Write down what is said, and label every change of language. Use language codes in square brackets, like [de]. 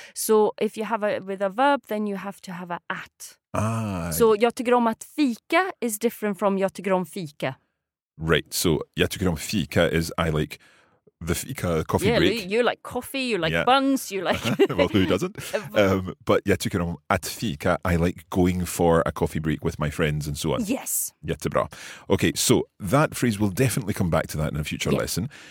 [en] So if you have a verb, then you have to have a at. Ah. [sv] So jag tycker om att fika [en] is different from [sv] jag tycker om fika. [en] Right. So [sv] jag tycker om fika [en] is I like the fika, coffee break. Yeah, you like coffee, you like buns, you like... Well, who doesn't? But [sv] jättekul om att fika, [en] I like going for a coffee break with my friends and so on. Yes. [sv] Jättebra. [en] Okay, so that phrase, we'll definitely come back to that in a future lesson.